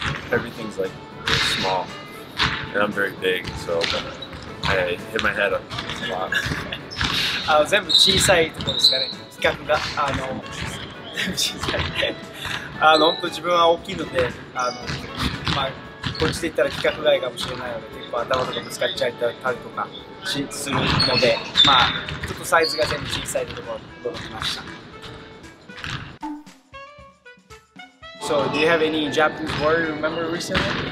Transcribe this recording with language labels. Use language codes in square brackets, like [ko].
[en] Everything's like really small, and I'm very big, so I hit my head on a lot. [ja] 全部小さいところですかね。比較が全部小さい。本当自分は大きいので、まあ、こっちで言ったら規格外かもしれないので、結構頭とかぶつかっちゃったりとかするので、まあ、ちょっとサイズが全部小さいところに驚きました。 [en] So, do you have any Japanese word you remember recently?